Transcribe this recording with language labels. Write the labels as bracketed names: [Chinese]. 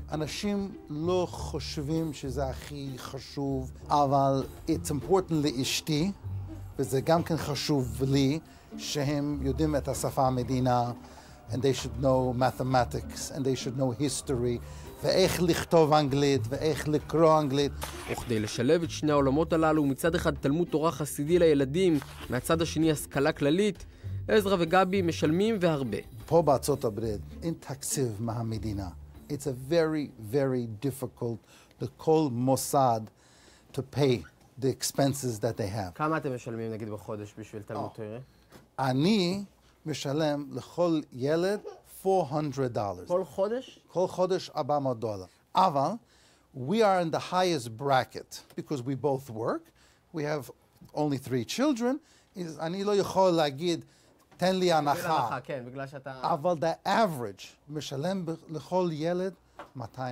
[Hebrew] אנשים לא חושבים שזה הכי חשוב, אבל [English] it's important [Hebrew] לאשתי, וזה גם כן חשוב לי, שהם יודעים את השפה המדינה, [English] and they should know mathematics, and they should know history, [Hebrew] ואיך לכתוב אנגלית, ואיך לקרוא אנגלית. וכדי לשלב את שני העולמות הללו, מצד אחד תלמוד תורה חסידי לילדים, מהצד השני השכלה כללית, עזרא וגבי משלמים והרבה. פה בארצות הברית, אין תקציב מהמדינה. [English] It's a very, very difficult [Hebrew] לכל מוסד [English] to pay the expenses that they have. [Hebrew] כמה אתם משלמים, נגיד, בחודש בשביל תלמוד תורה? אני משלם לכל ילד $400. כל חודש? כל חודש $400. [English] אבל, we are in the highest bracket because we both work. We have only 3 children. [Hebrew] אני לא יכול להגיד, תן לי הנחה. בגלל הנחה, כן, בגלל שאתה... אבל [English] the average [Hebrew] משלם לכל ילד $250.